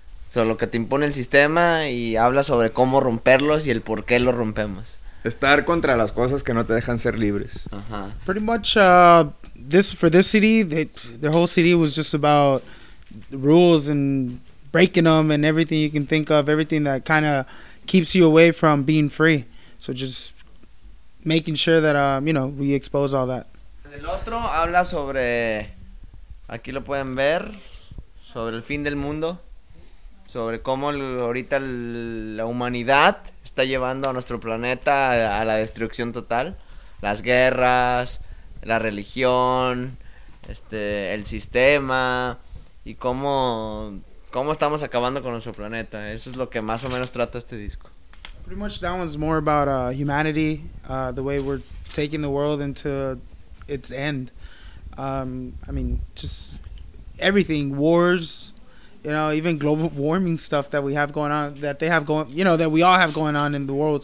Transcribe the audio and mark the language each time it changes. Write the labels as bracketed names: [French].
[Spanish] Sobre lo que te impone el sistema y habla sobre cómo romperlos y el por qué los rompemos. Estar contra las cosas que no te dejan ser libres. Uh-huh. [English] Pretty much, this for this city, the whole city was just about rules and breaking them and everything you can think of, everything that kind of keeps you away from being free. So just making sure that, you know, we expose all that. [Spanish] El otro habla sobre, aquí lo pueden ver, sobre el fin del mundo, sobre cómo ahorita la humanidad está llevando a nuestro planeta a la destrucción total, las guerras, la religión, el sistema, y cómo estamos acabando con nuestro planeta. Eso es lo que más o menos trata este disco. [English] Pretty much that one's more about humanity, the way we're taking the world into its end. I mean, just everything, wars, you know, even global warming stuff that we have going on, that they have going, you know, that we all have going on in the world.